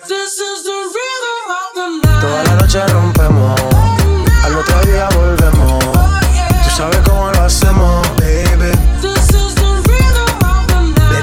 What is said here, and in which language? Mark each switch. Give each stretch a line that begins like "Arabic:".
English: This is the rhythm of the night.
Spanish: Toda la noche. noche rompemos, al otro día volvemos. Tú sabes cómo lo hacemos, baby.
English: This is the rhythm of the night.